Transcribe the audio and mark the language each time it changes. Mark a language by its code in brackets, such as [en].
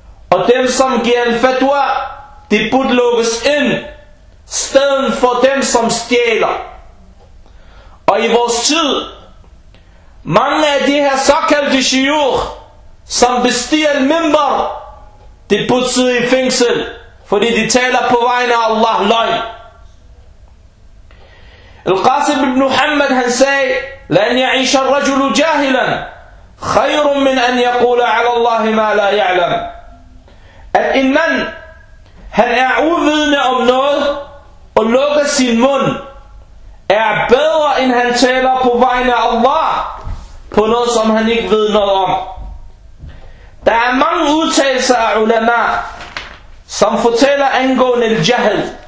[da] Og dem, som giver en fatwa, de burde lukkes ind stedet for dem, som stjæler. Og i vores tid, mange af de her såkaldte shuyukh, som bestiger al-mimbar, de putter sig i fængsel, fordi de taler på vegne af Allah løgn. [ar] Al-Qasim ibn Muhammad [da] han sagde, [ar] لَنْ يَعِيشَ الرَّجُلُ جَاهِلًا خَيْرٌ مِّنْ أَنْ يَقُولَ عَلَى اللَّهِ مَا لَا يَعْلَمْ. [da] At en mand, han er uvidende om noget og lukker sin mund, er bedre end han taler på vegne af Allah på noget, som han ikke ved noget om. Der er mange udtalelser af ulama, som fortæller angående al-jahl.